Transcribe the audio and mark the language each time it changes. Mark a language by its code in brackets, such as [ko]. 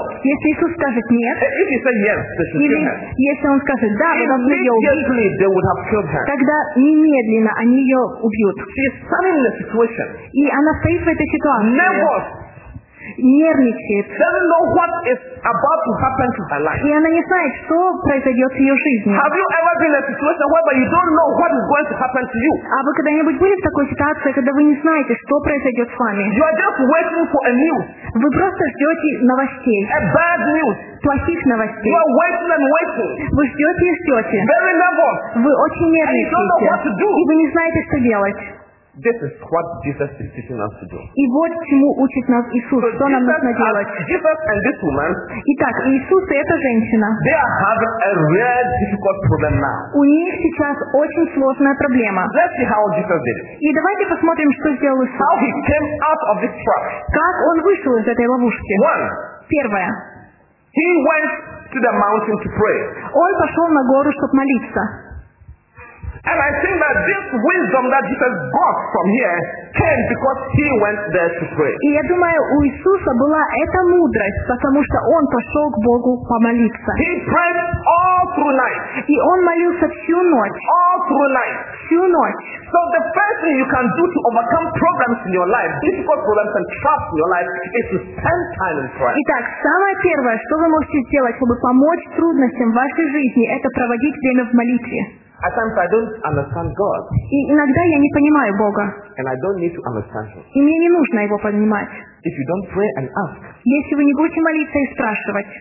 [ru] если Иисус скажет нет, [en] if he said yes, [ru] или если он скажет да, вы должны ее убить, [en] they would have killed her. [ru] Тогда немедленно они ее убьют. [en] She is standing in the situation. [ru] И она стоит в этой ситуации. [en] Nervous. [ru] Нервничает. [en] Doesn't know what is about to happen to her life. [ru] И она не знает, что произойдет в ее жизни. [en] Have you ever been in a situation where you don't know what is going to happen to you? [ru] А вы когда-нибудь были в такой ситуации, когда вы не знаете, что произойдет с вами? [en] You are just waiting for a news. [ru] Вы просто ждете новостей. [en] A bad news. [ru] Плохих новостей. [en] You are waiting and waiting. [ru] Вы ждете и ждете. [en] Very nervous. [ru] Вы очень нервничаете. [en] And you don't know what to do. [ru] И вы не знаете, что делать. [en] This is what Jesus is teaching us to do. [ru] И вот чему учит нас Иисус, что нам нужно делать. [en] Jesus and this woman. [ru] Итак, Иисус и эта женщина. [en] They are having a real difficult problem now. [ru] У них сейчас очень сложная проблема. [en] Let's see how Jesus did it. [ru] И давайте посмотрим, что сделал Иисус. [en] How he came out of this trap. [ru] Как он вышел из этой ловушки? [en] One. [ru] Первое. [en] He went to the mountain to pray. [ru] Он пошел на гору, чтобы молиться. [en] And I think that this wisdom that Jesus got from here came because he went there to pray. [ru] И я думаю, у Иисуса была эта мудрость, потому что он пошел к Богу помолиться. [en] He prayed all through night. [ru] И он молился всю ночь. [en] All through night. [ru] Всю ночь. [en] So the first thing you can do to overcome problems in your life, difficult problems and troubles in your life, is to spend time in prayer. [ru] Итак, самое первое, что вы можете сделать, чтобы помочь трудностям в вашей жизни, это проводить время в молитве. [en] Sometimes I don't understand God. [ru] И иногда я не понимаю Бога. [en] And I don't need to understand Him. [ru] И мне не нужно его понимать. [en] If you don't pray and ask, [ru] если вы не будете молиться и спрашивать,